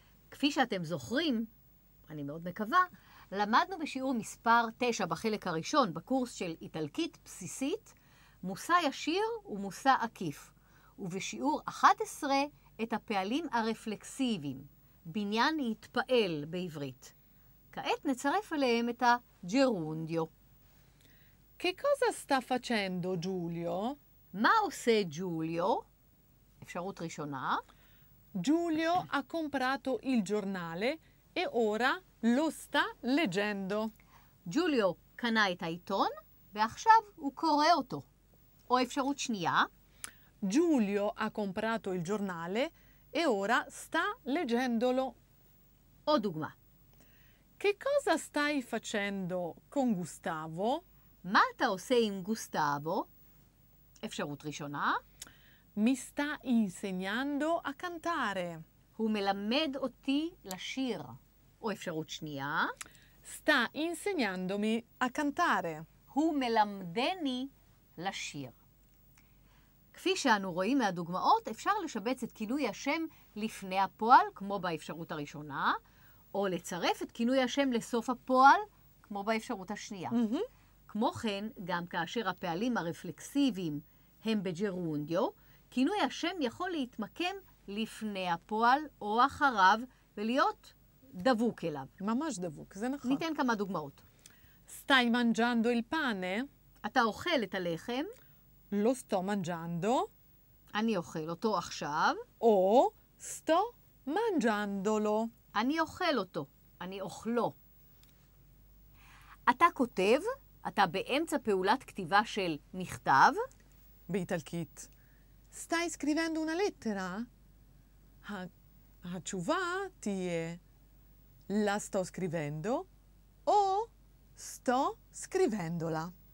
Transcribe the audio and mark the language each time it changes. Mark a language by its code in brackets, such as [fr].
[he] כפי שאתם זוכרים, אני מאוד מקווה, למדנו בשיעור מספר 9 בחלק הראשון בקורס של איטלקית בסיסית, מושא ישיר ומושא עקיף, ובשיעור 11 את הפעלים הרפלקסיביים, בניין התפעל בעברית. כעת נצרף אליהם את הג'רונדיו. [it] Che cosa sta facendo Giulio? [he] מה עושה ג'וליו? אפשרות ראשונה. [it] Giulio ha comprato il giornale e ora lo sta leggendo. [he] Giulio קנה את העיתון ועכשיו הוא קורא אותו. או אפשרות שנייה. [it] Giulio ha comprato il giornale e ora sta leggendolo. [he] O dugma. [it] Che cosa stai facendo con Gustavo? [he] מה אתה עושה עם גוסטבו? אפשרות ראשונה. [it] Mi sta insegnando a cantare. [he] הוא מלמד אותי לשיר. או אפשרות שנייה. [it] Sta insegnandomi a cantare. [he] הוא מלמדני לשיר. כפי שאנו רואים מהדוגמאות, אפשר לשבץ את כינוי השם לפני הפועל, כמו באפשרות הראשונה, או לצרף את כינוי השם לסוף הפועל, כמו באפשרות השנייה. כמו כן, גם כאשר הפעלים הרפלקסיביים הם בג'רונדיו, כינוי השם יכול להתמקם לפני הפועל או אחריו ולהיות דבוק אליו. ממש דבוק, זה נכון. ניתן כמה דוגמאות. [it] Stai mangiando il pane? [he] אתה אוכל את הלחם? [it] Lo sto mangiando? [he] אני אוכל אותו עכשיו. או [it] sto mangiandolo. [he] אני אוכל אותו, אני אוכלו. אתה כותב, אתה באמצע פעולת כתיבה של מכתב. באיטלקית. [it] Stai scrivendo una lettera? [he] התשובה תהיה [it] La sto scrivendo [he] או [it] Sto scrivendola.